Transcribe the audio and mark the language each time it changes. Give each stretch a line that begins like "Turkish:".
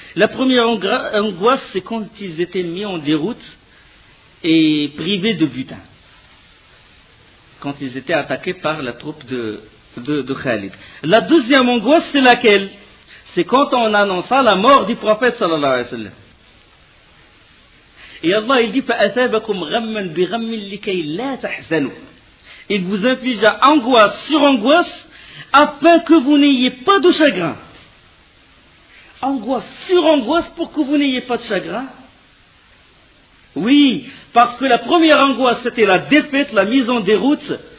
French: La première angoisse, c'est quand ils étaient mis en déroute et privés de butin. Quand ils étaient attaqués par la troupe de Khalid. La deuxième angoisse, c'est laquelle? C'est quand on annonça la mort du prophète, sallallahu alayhi wa sallam. Et Allah, il dit,
Arabic: فَأَثَابَكُمْ غَمًّا بِغَمٍّ لِكَيْ لَا تَحْزَنُوا.
French: Il vous inflige angoisse sur angoisse, afin que vous n'ayez pas de chagrin. Angoisse sur angoisse pour que vous n'ayez pas de chagrin. Oui, parce que la première angoisse, c'était la défaite, la mise en déroute.